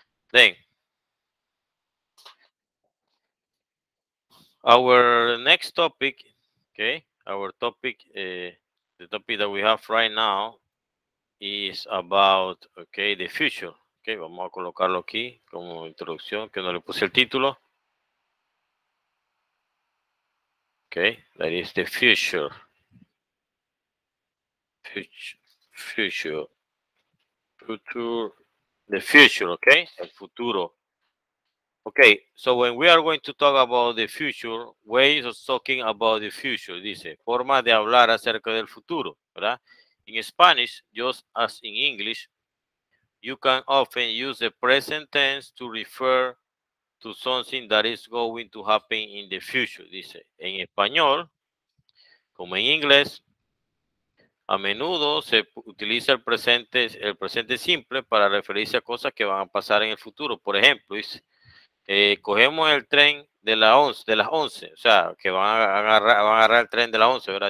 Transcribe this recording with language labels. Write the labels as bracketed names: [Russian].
[English] Then, our next topic, okay, our topic, the topic that we have right now is about, okay, the future. [Spanish] Okay, vamos a colocarlo aquí como introducción, que no le puse el título. [English] Okay, that is the future. Future. The future, okay? [Spanish] El futuro. [English] Okay, so when we are going to talk about the future, ways of talking about the future, [Spanish] dice, forma de hablar acerca del futuro, ¿verdad? [English] In Spanish, just as in English, you can often use the present tense to refer to something that is going to happen in the future, dice. [Spanish] En español, como en inglés, a menudo se utiliza el presente simple para referirse a cosas que van a pasar en el futuro. Por ejemplo, dice, cogemos el tren de la 11, de las 11, o sea, que van a agarrar el tren de las 11, ¿verdad?